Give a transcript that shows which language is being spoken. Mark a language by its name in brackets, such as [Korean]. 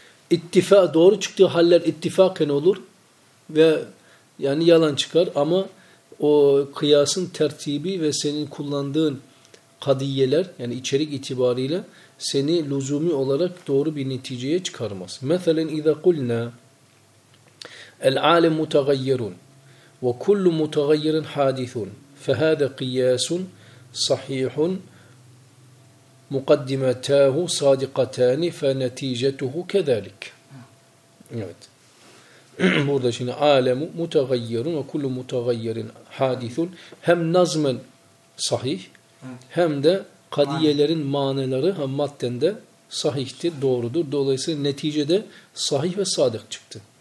[Turkish] İttifak, doğru çıktığı haller ittifaken olur ve yani yalan çıkar, ama o kıyasın tertibi ve senin kullandığın kadiyeler, yani içerik itibariyle seni lüzumi olarak doğru bir neticeye çıkarmaz. [Arabic] مَثَلًا اِذَا قُلْنَا العالم متغير وكل متغير حادث فهذا قياس صحيح مقدمتاه صادقتان فنتيجته كذلك. [Turkish] Evet. Burada şimdi alem [Arabic] متغير وكل متغير حادث, [Turkish] hem nazmen sahih hem de kadiyelerin manaları hem madden de sahihtir, doğrudur. Dolayısıyla neticede sahih ve sadık çıktı.